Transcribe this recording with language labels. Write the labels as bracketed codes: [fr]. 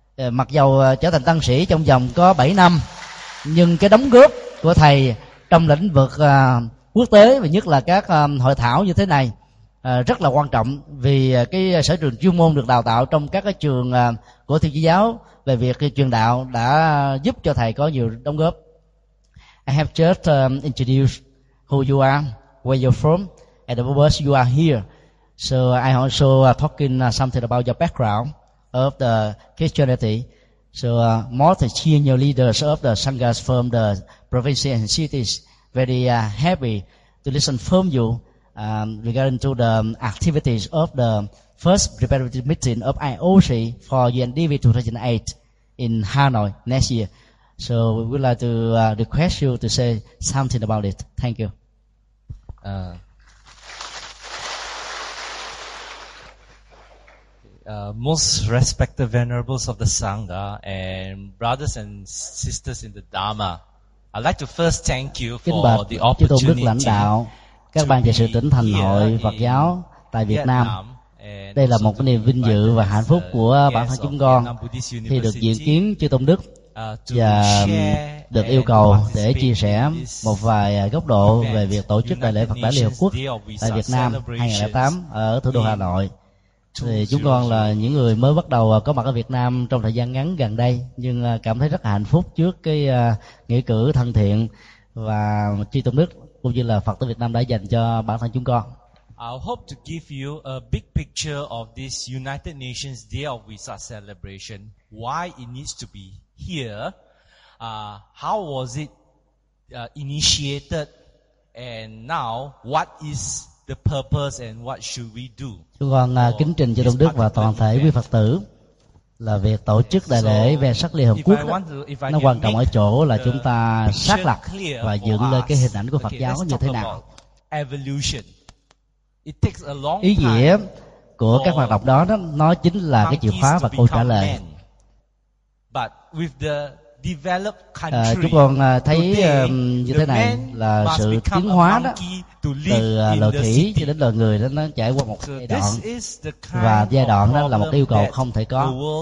[vi] Mặc dù trở thành tăng sĩ trong vòng có 7 năm, nhưng cái đóng góp của thầy trong lĩnh vực quốc tế và nhất là các hội thảo như thế này rất là quan trọng, vì cái sở trường chuyên môn được đào tạo trong các cái trường của Thiên Chúa giáo về việc truyền đạo đã giúp cho thầy có nhiều đóng góp. [en] I have just introduced who you are, where you're from, and the purpose you are here. So I also talking something about your background of the Christianity. So more than senior leaders of the Sanghas from the provinces and cities, very happy to listen from you regarding to the activities of the first preparatory meeting of IOC for UNDV 2008 in Hanoi next year. So we would like to request you to say something about it. Thank you. Uh, Most respected venerables of the Sangha and brothers and sisters in the Dharma, I'd like to first thank you for the opportunity. [vi] Đức lãnh đạo, các ban trị sự tỉnh thành hội Phật giáo tại Việt Nam. Đây là một niềm vinh dự và hạnh phúc của bản thân chúng con khi được diện kiến Chư Tôn Đức và được yêu cầu để chia sẻ một vài góc độ về việc tổ chức đại lễ Phật đản Liên Hợp Quốc tại Việt Nam 2008 ở thủ đô Hà Nội. Thì chúng con là những người mới bắt đầu có mặt ở Việt Nam trong thời gian ngắn gần đây, nhưng cảm thấy rất hạnh phúc trước cái nghĩa cử thân thiện và Chư Tôn Đức cũng như là Phật tử Việt Nam đã dành cho bản thân chúng con. [en] I hope to give you a big picture of this United Nations Day of Visak celebration. Why it needs to be here? How was it initiated? And now, what is the purpose and what should we do? [vi] Chúng con kính trình cho Tôn Đức và toàn thể quý Phật tử là việc tổ chức đại lễ Vesak Liên Hợp Quốc đó, nó quan trọng ở chỗ là chúng ta xác lập và dựng lên cái hình ảnh của Phật giáo như thế nào. [en] Evolution. It takes a long time. [vi] Ý nghĩa của các hoạt động đó, đó nó chính là cái chìa khóa và câu trả lời. [en] But with the developed country, [vi] chúng con thấy như thế này là sự tiến hóa đó, từ loài khỉ cho đến loài người đó, nó trải qua một giai đoạn, và giai đoạn đó là một yêu cầu không thể có.